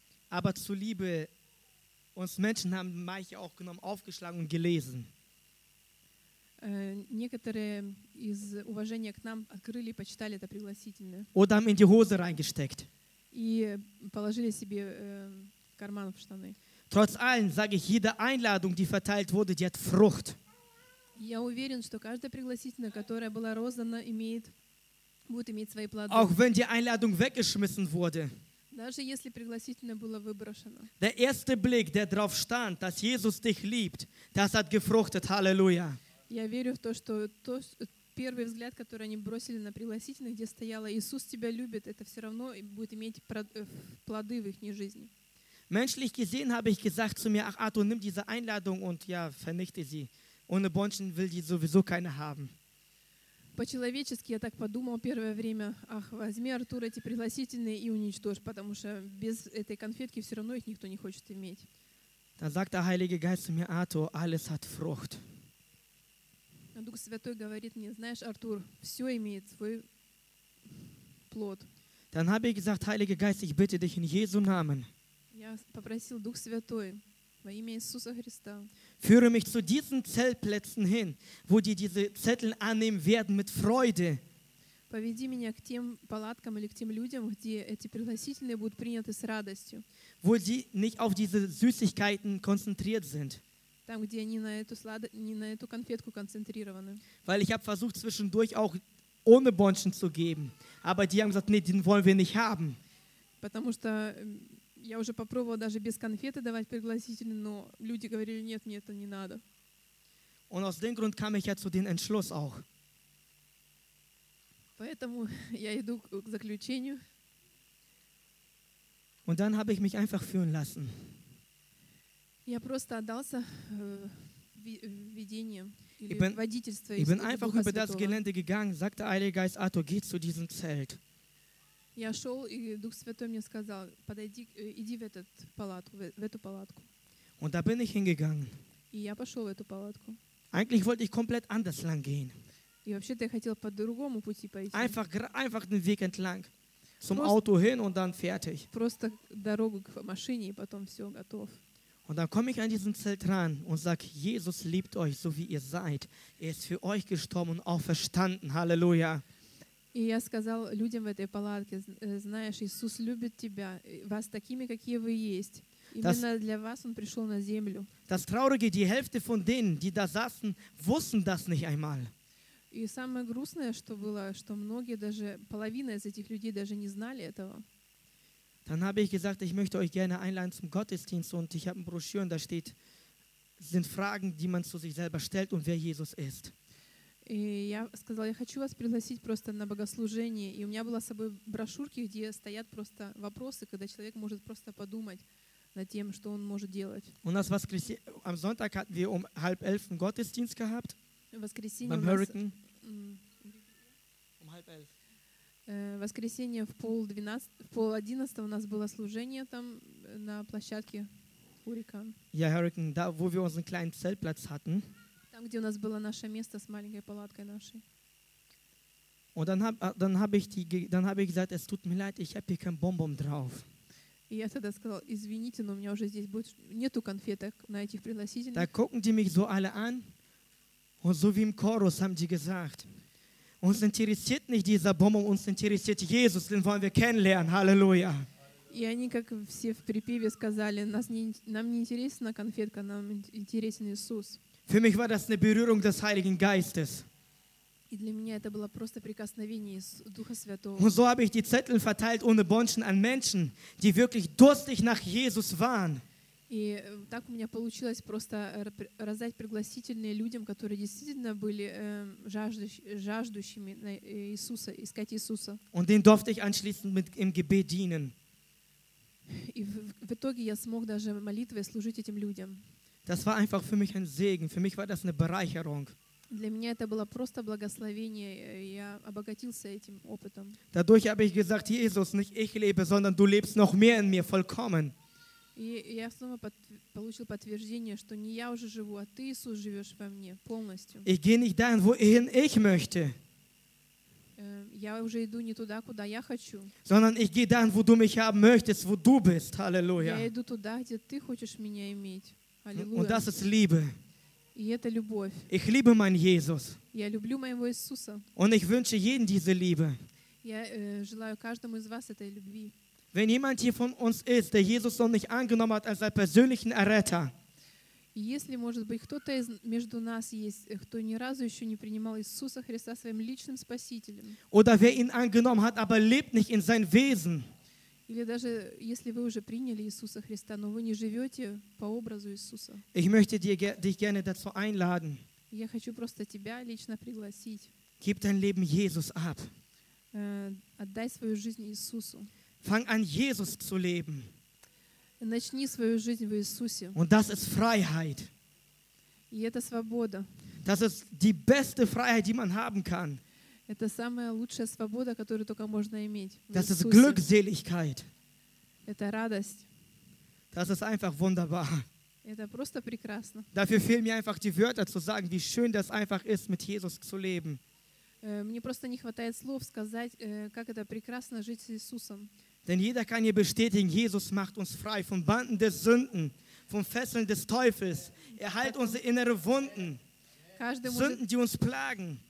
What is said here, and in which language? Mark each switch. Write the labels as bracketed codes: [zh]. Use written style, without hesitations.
[de] Aber zuliebe, uns Menschen haben manche auch genommen, aufgeschlagen und gelesen. [ru] Некоторые из уважения к нам открыли, почитали это пригласительное. [de] Oder haben in die Hose reingesteckt. [ru] И положили себе карман в штаны. [de] Trotz allem sage ich, jede Einladung, die verteilt wurde, die hat Frucht. [ru] Я уверен, что каждое пригласительное, которое было роздано, будет иметь свои плоды. [de] Auch wenn die Einladung weggeschmissen wurde. [ru] Даже если пригласительное было выброшено. [de] Der erste Blick, der drauf stand, dass Jesus dich liebt, das hat gefruchtet. Halleluja. [ru] Я верю в то, что первый взгляд, который они бросили на пригласительных, где стояло «Иисус тебя любит», это все равно будет иметь плоды в их жизни. [de] Menschlich gesehen habe ich gesagt zu mir, ach Arthur, nimm diese Einladung und ja, vernichte sie. Ohne Bonschen will die sowieso keine haben. [ru] По-человечески я так подумал первое время, ach, возьми, Артур, эти пригласительные и уничтожь, потому что без этой конфетки все равно их никто не хочет иметь. [de] Dann sagt der Heilige Geist zu mir, Arthur, alles hat Frucht. [ru] Дух Святой говорит мне, знаешь, Артур, все имеет свой плод. [de] Dann habe ich gesagt, Heiliger Geist, ich bitte dich in Jesu Namen. [ru] Я попросил Дух Святой во имя Иисуса Христа. [de] Führe mich zu diesen Zeltplätzen hin, wo die diese Zettel annehmen werden mit Freude. [ru] Поведи меня к тем палаткам или к тем людям, где эти пригласительные будут приняты с радостью. [de] Wo sie nicht auf diese Süßigkeiten konzentriert sind. [ru] Там, где они не на эту конфетку концентрированы. [de] Weil ich habe versucht zwischendurch auch ohne Bonschen zu geben, aber die haben gesagt, nee, den wollen wir nicht haben. [ru] Потому что я уже попробовала даже без конфеты давать пригласительные, но люди говорили, нет, мне это не надо. [de] Und aus dem Grund kam ich ja zu dem Entschluss auch. [ru] Поэтому я иду к заключению. [de] Und dann habe ich mich einfach führen lassen. [ru] Я просто отдался ведению или водительству. [de] Ich bin einfach über das Gelände gegangen, sagte Heiliger Geist, Arthur, geh zu diesem Zelt. [ru] Я шел, и Дух Святой мне сказал, подойди, иди в этот палатку, в эту палатку. [de] Und da bin ich hingegangen. [ru] И я пошел в эту палатку. [de] Eigentlich wollte ich komplett anders lang gehen. [ru] И вообще-то я хотел по другому пути пойти. [de] Einfach den Weg entlang. Zum Auto hin und dann fertig. [ru] Просто дорогу к машине, и потом все, готов. [de] Und dann komme ich an diesen Zelt ran und sage, Jesus liebt euch, so wie ihr seid. Er ist für euch gestorben und auferstanden. Halleluja. [ru] И я сказал людям в этой палатке, знаешь, Иисус любит тебя, вас такими, какие вы есть. Именно для вас Он пришел на землю. [de] Das Traurige, die Hälfte von denen, die da saßen, wussten das nicht einmal. [ru] И самое грустное, что было, что многие даже, половина из этих людей даже не знали этого. [de] Dann habe ich gesagt, ich möchte euch gerne einladen zum Gottesdienst und ich habe eine Broschüre, da steht, sind Fragen, die man zu sich selber stellt und wer Jesus ist. [ru] И я сказала, я хочу вас пригласить просто на богослужение. И у меня была с собой брошюрки, где стоят просто вопросы, когда человек может просто подумать над тем, что он может делать. У нас воскресенье, [de] am Sonntag hatten wir um 10:30 einen Gottesdienst gehabt. [ru] Воскресенье American. [de] Um 10:30. [ru] Воскресенье в 10:30, в 10:30 у нас было служение там на площадке Hurrikan. [de] Ja, Hurrikan, da wo wir unseren kleinen Zeltplatz hatten. [ru] Там, где у нас было наше место с маленькой палаткой нашей. [de] Und dann habe ich gesagt, es tut mir leid, ich habe hier kein Bonbon drauf. [ru] И я тогда сказал, извините, но у меня уже здесь будет нету конфеток на этих пригласительных. [de] Da gucken die mich so alle an und so wie im Chorus haben die gesagt. Uns interessiert nicht dieser Bonbon, uns interessiert Jesus, den wollen wir kennenlernen. Halleluja. [ru] И они, как все в припеве, сказали, нам не интересна конфетка, нам интересен Иисус. [de] Für mich war das eine Berührung des Heiligen Geistes. [ru] И для меня это было просто прикосновение Духа Святого. [de] Und so habe ich die Zettel verteilt ohne Bonchen an Menschen, die wirklich durstig nach Jesus waren. [ru] И так у меня получилось просто раздать пригласительные людям, которые действительно были жаждущими Иисуса, искать Иисуса. [de] Und den durfte ich anschließend mit im Gebet dienen. [ru] И в итоге я смог даже молитвой служить этим людям. [de] Das war einfach für mich ein Segen. Für mich war das eine Bereicherung. [ru] Для меня это было просто благословение. Я обогатился этим опытом. [de] Dadurch habe ich gesagt, Jesus, nicht ich lebe, sondern du lebst noch mehr in mir, vollkommen. [ru] И я снова получил подтверждение, что не я уже живу, а ты, Иисус, живешь во мне полностью. [de] Ich gehe nicht dahin, wohin ich möchte. [ru] Я уже иду не туда, куда я хочу. [de] Sondern ich gehe dahin, wo du mich haben möchtest, wo du bist. Halleluja. [ru] Я иду туда, где ты хочешь меня иметь. [de] Und das ist Liebe. [ru] И это любовь. [de] Ich liebe meinen Jesus. [ru] Я люблю моего Иисуса. [de] Und ich wünsche jedem diese Liebe. [ru] Я желаю каждому из вас этой любви. [de] Wenn jemand hier von uns ist, der Jesus noch nicht angenommen hat als seinen persönlichen Erretter. [ru] Если, может быть, кто-то из между нас есть, кто ни разу еще не принимал Иисуса Христа своим личным спасителем. [de] Oder wer ihn angenommen hat, aber lebt nicht in sein Wesen. [ru] Или даже если вы уже приняли Иисуса Христа, но вы не живете по образу Иисуса. [de] Ich möchte dich gerne dazu einladen. [ru] Я хочу просто тебя лично пригласить. [de] Gib dein Leben Jesus ab. [ru] Отдай свою жизнь Иисусу. [de] Fang an, Jesus zu leben. [ru] Начни свою жизнь в Иисусе. [de] Und das ist Freiheit. [ru] И это свобода. [de] Das ist die beste Freiheit, die man haben kann. [ru] Это самая лучшая свобода, которую только можно иметь. [de] Das ist Glückseligkeit. [ru] Это радость. [de] Das ist einfach wunderbar. [ru] Это просто прекрасно. [de] Dafür fehlen mir einfach die Wörter zu sagen, wie schön das einfach ist, mit Jesus zu leben. [ru] Мне просто не хватает слов сказать, как это прекрасно жить с Иисусом. [de] Denn jeder kann hier bestätigen, Jesus macht uns frei von Banden des Sünden, von Fesseln des Teufels. Er heilt unsere innere Wunden, Sünden, die uns plagen.